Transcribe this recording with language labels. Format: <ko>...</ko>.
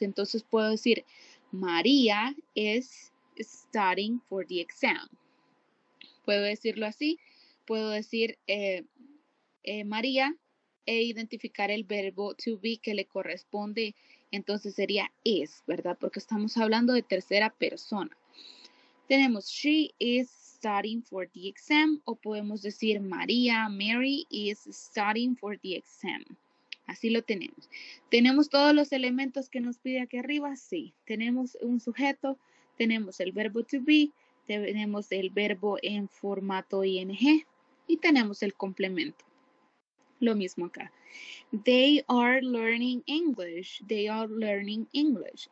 <es>Entonces, puedo decir,</es> <en>María is studying for the exam.</en> <es>Puedo decirlo así. Puedo decir, María, e identificar el verbo to be que le corresponde. Entonces, sería is, ¿verdad? Porque estamos hablando de tercera persona. Tenemos,</es> <en>she is studying for the exam,</en> <es>o podemos decir,</es> <en>María, Mary is studying for the exam.</en> <es>Así lo tenemos. ¿Tenemos todos los elementos que nos pide aquí arriba? Sí. Tenemos un sujeto, tenemos el verbo to be, tenemos el verbo en formato ing, y tenemos el complemento. Lo mismo acá.</es> <en>They are learning English. They are learning English.</en>